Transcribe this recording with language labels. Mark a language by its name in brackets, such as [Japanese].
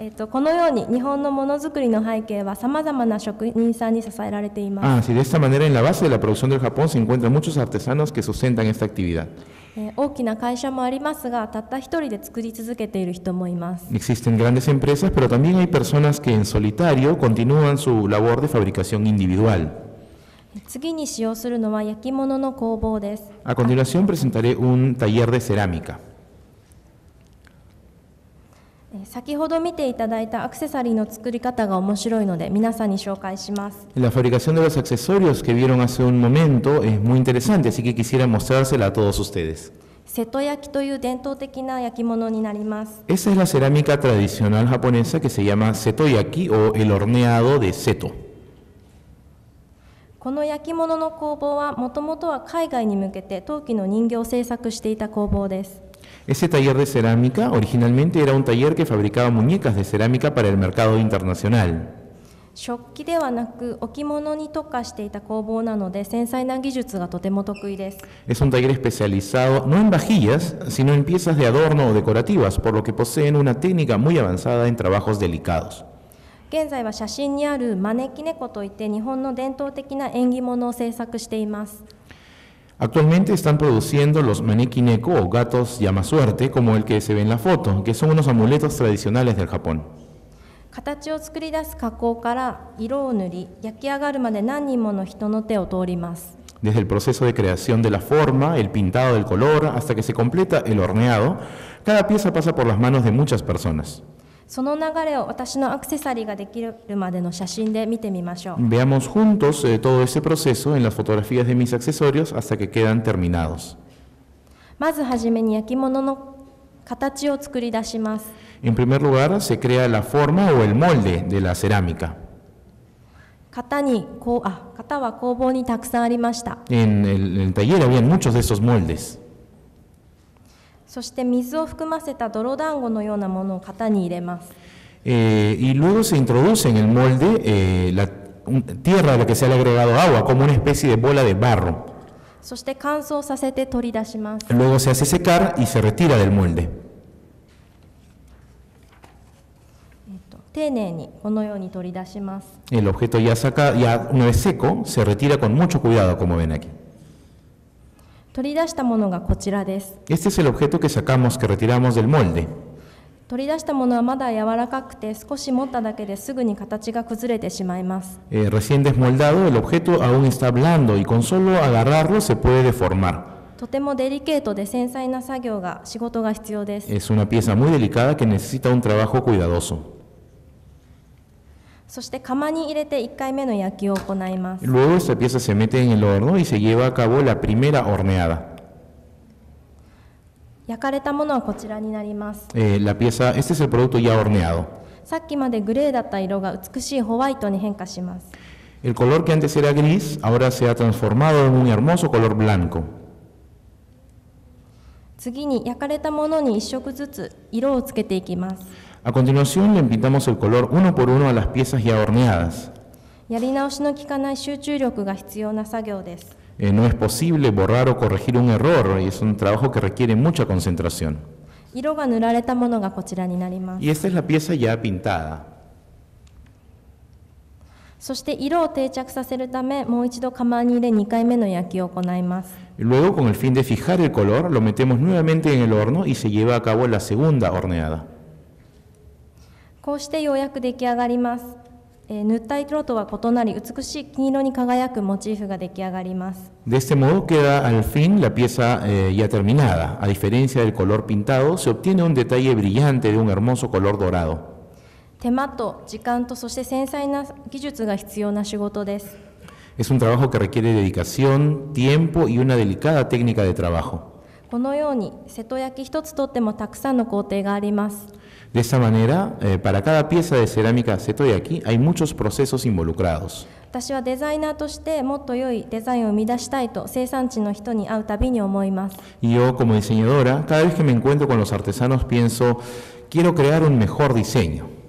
[Japanese] このように日本のものづくりの背景はさまざまな職人さんに支えられています。 [Spanish] Ah, sí, de esta manera, en la base de la producción del Japón se encuentran muchos artesanos que sustentan esta actividad. [Japanese] 大きな会社もありますが、たった一人で作り続けている人もいます。 [Spanish] Existen grandes empresas, pero también hay personas que en solitario continúan su labor de fabricación individual. [Japanese] 次に使用するのは焼き物の工房です。 [Spanish] A continuación presentaré un taller de cerámica. [Japanese] 先ほど見ていただいたアクセサリーの作り方が面白いので、皆さんに紹介します。 [Spanish] La fabricación de los accesorios que vieron hace un momento es muy interesante, así que quisiera mostrársela a todos ustedes. [Japanese] 瀬戸焼きという伝統的な焼き物になります。 [Spanish] Esa es la cerámica tradicional japonesa que se llama setoyaki o el horneado de seto. [Japanese] この焼き物の工房は、もともとは海外に向けて陶器の人形を製作していた工房です。 [Spanish] Ese taller de cerámica originalmente era un taller que fabricaba muñecas de cerámica para el mercado internacional. [Japanese] 食器ではなく置物に特化していた工房なので繊細な技術がとても得意です。 [Spanish] Es un taller especializado no en vajillas, sino en piezas de adorno o decorativas, por lo que poseen una técnica muy avanzada en trabajos delicados. [Japanese] 現在は写真にある招き猫といって日本の伝統的な縁起物を制作しています。 [Spanish] Actualmente están produciendo los maneki neko o gatos llama suerte, como el que se ve en la foto, que son unos amuletos tradicionales del Japón. [Japanese] 形を作り出す加工から色を塗り、焼き上がるまで何人もの人の手を通ります。 [Spanish] Desde el proceso de creación de la forma, el pintado del color, hasta que se completa el horneado, cada pieza pasa por las manos de muchas personas. [Japanese] その流れを私のアクセサリーができるまでの写真で見てみましょう。 [Spanish] Veamos juntos todo este proceso en las fotografías de mis accesorios hasta que quedan terminados. [Japanese] まずはじめに焼き物の形を作り出します。 [Spanish] En primer lugar, se crea la forma o el molde de la cerámica. [Japanese] 型は工房にたくさんありました。 [Spanish] En el taller había muchos de esos moldes. [Japanese] そして水を含ませた泥団子のようなものを型に入れます。 [Spanish] Y luego se introduce en el molde, la tierra a la que se ha agregado agua, como una especie de bola de barro. [Japanese] そして乾燥させて取り出します。 [Spanish] Luego se hace secar y se retira del molde. [Japanese] 丁寧にこのように取り出します。 [Spanish] El objeto ya saca, ya una vez seco, se retira con mucho cuidado, como ven aquí. [Japanese] 取り出したものがこちらです。 [Spanish] Este es el objeto que sacamos, que retiramos del molde. [Japanese] 取り出したものはまだ柔らかくて、少し持っただけですぐに形が崩れてしまいます。 [Spanish] Recién desmoldado, el objeto aún está blando y con solo agarrarlo se puede deformar. [Japanese] とてもデリケートで繊細な作業が、仕事が必要です。 [Spanish] Es una pieza muy delicada que necesita un trabajo cuidadoso. [Japanese] そして釜に入れて1回目の焼きを行います。 [Spanish] Luego esta pieza se mete en el horno y se lleva a cabo la primera horneada. [Japanese] 焼かれたものはこちらになります。 [Spanish] La pieza, este es el producto ya horneado. [Japanese] さっきまでグレーだった色が美しいホワイトに変化します。 [Spanish] El color que antes era gris, ahora se ha transformado en un hermoso color blanco. [Japanese] 次に焼かれたものに1色ずつ色をつけていきます。 [Spanish] A continuación le pintamos el color uno por uno a las piezas ya horneadas. [Japanese] やり直しの効かない集中力が必要な作業です。 [Spanish] No es posible borrar o corregir un error y es un trabajo que requiere mucha concentración. [Japanese] 色が塗られたものがこちらになります。 [Spanish] Y esta es la pieza ya pintada. [Japanese] そして色を定着させるためもう一度釜に入れ2回目の焼きを行います。 [Spanish] Luego con el fin de fijar el color lo metemos nuevamente en el horno y se lleva a cabo la segunda horneada. [Japanese] こうしてようやく出来上がります。塗った色とは異なり、美しい金色に輝くモチーフが出来上がります。 [Spanish] De este modo queda al fin la pieza ya terminada. A diferencia del color pintado, se obtiene un detalle brillante de un hermoso color dorado. [Japanese] 手間と時間とそして繊細な技術が必要な仕事です。 [Spanish] Es un trabajo que requiere dedicación, tiempo y una delicada técnica de trabajo. [Japanese] このように瀬戸焼き一つとってもたくさんの工程があります。 [Spanish] De esta manera, para cada pieza de cerámica seto yaki, hay muchos procesos involucrados. [Japanese] 私はデザイナーとしてもっと良いデザインを生み出したいと生産地の人に会うたびに思います。 [Spanish] Yo como diseñadora, cada vez que me encuentro con los artesanos pienso, quiero crear un mejor diseño.